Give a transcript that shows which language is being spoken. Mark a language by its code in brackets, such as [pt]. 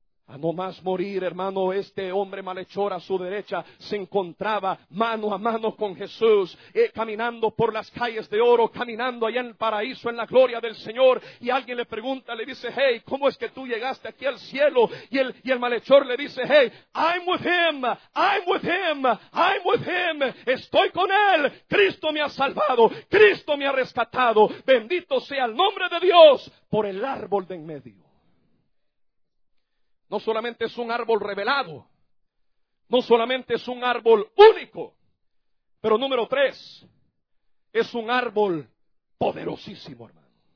[es] A no más morir, hermano, este hombre malhechor a su derecha se encontraba mano a mano con Jesús, caminando por las calles de oro, caminando allá en el paraíso, en la gloria del Señor. Y alguien le pregunta, le dice, hey, ¿cómo es que tú llegaste aquí al cielo? Y el malhechor le dice, hey, [en] I'm with him, I'm with him, [es] I'm with him, estoy con él. Cristo me ha salvado, Cristo me ha rescatado. Bendito sea el nombre de Dios por el árbol de en medio. No solamente es un árbol revelado, no solamente es un árbol único, pero número 3, es un árbol poderosísimo, hermano.